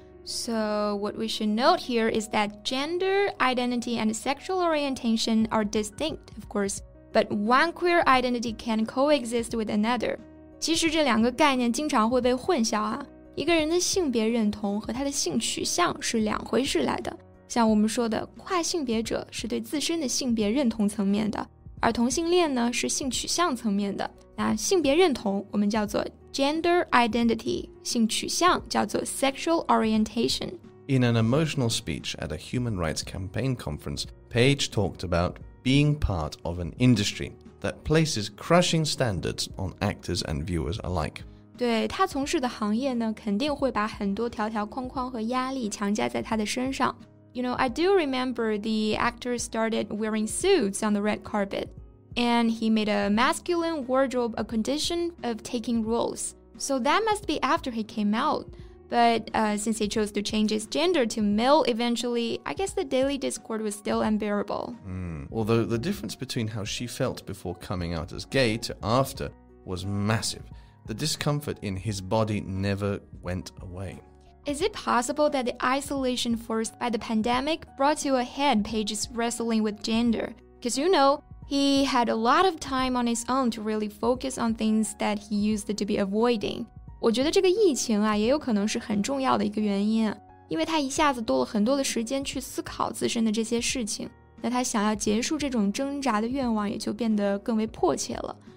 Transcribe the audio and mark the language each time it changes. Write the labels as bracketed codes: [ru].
[en] So, what we should note here is that gender, identity, and sexual orientation are distinct, of course, but one queer identity can coexist with another. [zh] 其实这两个概念经常会被混淆啊。一个人的性别认同和他的性取向是两回事来的。像我们说的跨性别者是对自身的性别认同层面的。而同性恋呢是性取向层面的。那性别认同我们叫做Gender identity, 性取向叫做 sexual orientation. [en] In an emotional speech at a human rights campaign conference, Page talked about being part of an industry that places crushing standards on actors and viewers alike. [zh] 对他从事的行业呢，肯定会把很多条条框框和压力强加在他的身上。 [en] You know, I do remember the actor started wearing suits on the red carpet. And he made a masculine wardrobe a condition of taking roles. So that must be after he came out. But since he chose to change his gender to male eventually, I guess the daily discord was still unbearable. Although the difference between how she felt before coming out as gay to after was massive, the discomfort in his body never went away. Is it possible that the isolation forced by the pandemic brought to a head Paige's wrestling with gender? Because you know,He had a lot of time on his own to really focus on things that he used to be avoiding. [zh] 我觉得这个疫情啊，也有可能是很重要的一个原因，因为他一下子多了很多的时间去思考自身的这些事情，那他想要结束这种挣扎的愿望也就变得更为迫切了。